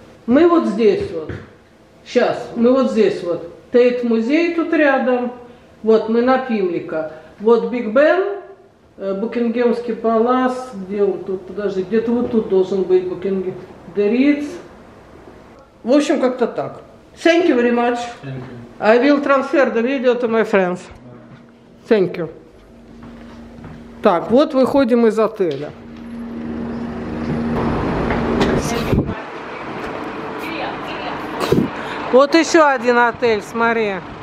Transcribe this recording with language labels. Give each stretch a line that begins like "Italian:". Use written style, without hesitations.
Russian: Мы вот здесь вот. Сейчас, мы вот здесь вот. Тейт-музей тут рядом. Вот, мы на Пимлика. Вот Биг Бен, Букингемский палас. Где он тут? Подожди, где-то вот тут должен быть Букингем.
English: The Ritz.
Russian: В общем, как-то так.
English: Thank you very much. Thank you. I will transfer the video to my friends. Thank you.
Russian: Так, вот выходим из отеля. Вот еще один отель, смотри.